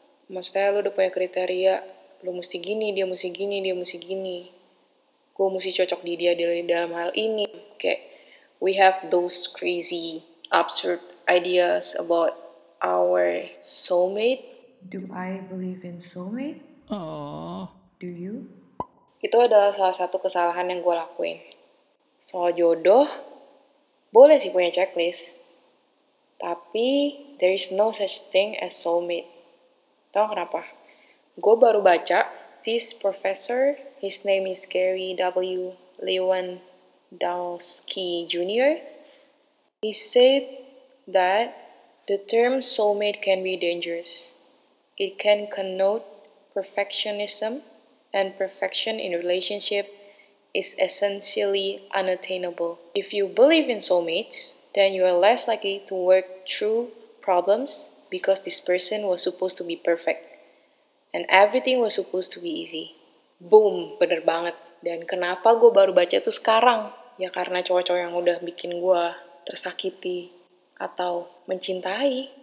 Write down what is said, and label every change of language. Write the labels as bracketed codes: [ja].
[id] Maksudnya lu udah punya kriteria, lu mesti gini, dia mesti gini, dia mesti gini. Gue mesti cocok di dia dalam hal ini. Kayak, [en] we have those crazy, absurd ideas about our soulmate. Do I believe in soulmate? Oh. Do you? [id] Itu adalah salah satu kesalahan yang gue lakuin. Soal jodoh, boleh sih punya checklist. Tapi, [en] there is no such thing as soulmate. [id] Tau kenapa? Gue baru baca, [en] this professor, his name is Gary W. Lewandowski Jr. He said that the term soulmate can be dangerous. It can connote perfectionism, and perfection in relationship is essentially unattainable. If you believe in soulmates, then you are less likely to work through problems because this person was supposed to be perfect and everything was supposed to be easy. [id] Boom, bener banget. Dan kenapa gue baru baca itu sekarang? Ya karena cowok-cowok yang udah bikin gue tersakiti atau mencintai.